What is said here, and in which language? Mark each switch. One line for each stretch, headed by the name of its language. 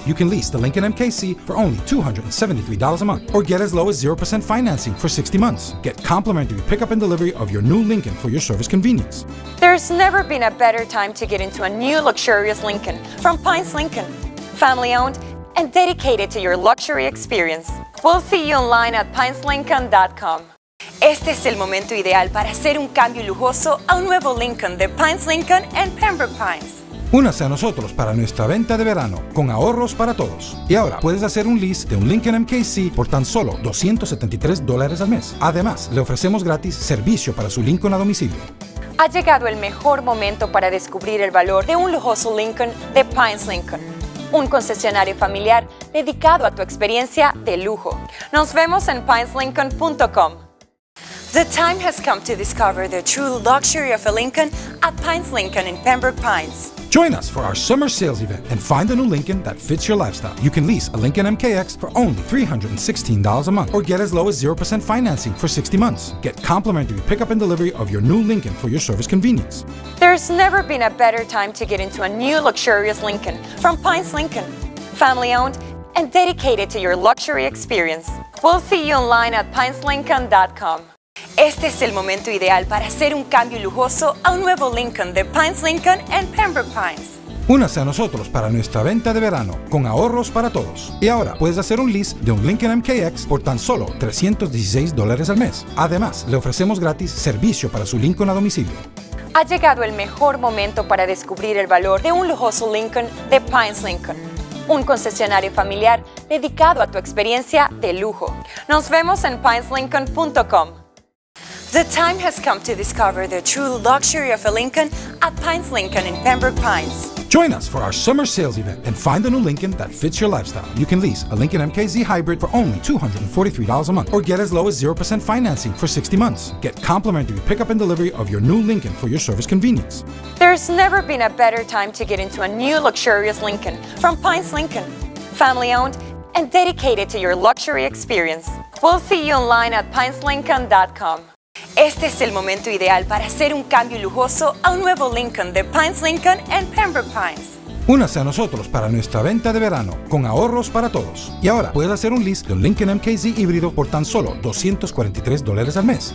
English: You can lease the Lincoln MKC for only $273 a month or get as low as 0% financing for 60 months. Get complimentary pickup and delivery of your new Lincoln for your service convenience. There's never been a better time to get into a new luxurious Lincoln from Pines Lincoln. Family owned and dedicated to your luxury experience. We'll see you online at PinesLincoln.com.
Spanish: Este es el momento ideal para hacer un cambio lujoso a un nuevo Lincoln de Pines Lincoln en Pembroke Pines. Únase a nosotros para nuestra venta de verano con ahorros para todos. Y ahora puedes hacer un lease de un Lincoln MKC por tan solo $273 al mes. Además, le ofrecemos gratis servicio para su Lincoln a domicilio. Ha llegado el mejor momento para descubrir el valor de un lujoso Lincoln de Pines Lincoln. Un concesionario familiar dedicado a tu experiencia de lujo. Nos vemos en PinesLincoln.com.
English: The time has come to discover the true luxury of a Lincoln at Pines Lincoln in Pembroke Pines. Join us for our summer sales event and find the new Lincoln that fits your lifestyle. You can lease a Lincoln MKX for only $316 a month or get as low as 0% financing for 60 months. Get complimentary pickup and delivery of your new Lincoln for your service convenience. There's never been a better time to get into a new luxurious Lincoln from Pines Lincoln. Family owned and dedicated to your luxury experience. We'll see you online at PinesLincoln.com.
Spanish: Este es el momento ideal para hacer un cambio lujoso a un nuevo Lincoln de Pines Lincoln en Pembroke Pines. Únase a nosotros para nuestra venta de verano con ahorros para todos. Y ahora puedes hacer un lease de un Lincoln MKX por tan solo $316 al mes. Además, le ofrecemos gratis servicio para su Lincoln a domicilio. Ha llegado el mejor momento para descubrir el valor de un lujoso Lincoln de Pines Lincoln. Un concesionario familiar dedicado a tu experiencia de lujo. Nos vemos en PinesLincoln.com.
English: The time has come to discover the true luxury of a Lincoln at Pines Lincoln in Pembroke Pines. Join us for our summer sales event and find the new Lincoln that fits your lifestyle. You can lease a Lincoln MKZ Hybrid for only $243 a month or get as low as 0% financing for 60 months. Get complimentary pickup and delivery of your new Lincoln for your service convenience. There's never been a better time to get into a new luxurious Lincoln from Pines Lincoln. Family owned and dedicated to your luxury experience. We'll see you online at PinesLincoln.com.
Spanish: Este es el momento ideal para hacer un cambio lujoso a un nuevo Lincoln de Pines Lincoln en Pembroke Pines. Únase a nosotros para nuestra venta de verano con ahorros para todos. Y ahora puedes hacer un lease de un Lincoln MKZ híbrido por tan solo $243 al mes.